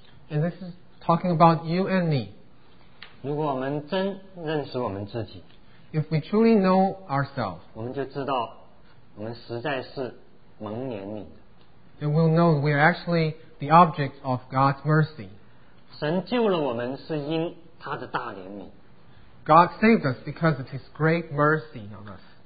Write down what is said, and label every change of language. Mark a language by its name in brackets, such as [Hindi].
[English] and this is talking about you and me. [Chinese] 如果我们真认识我们自己, [English] if we truly know ourselves, [Chinese] 我们就知道我们实在是蒙怜悯的, [English] then we'll know we are actually the object of God's mercy. [Chinese] 神救了我们是因他的大怜悯。 [English] God saved us because of His great mercy on us.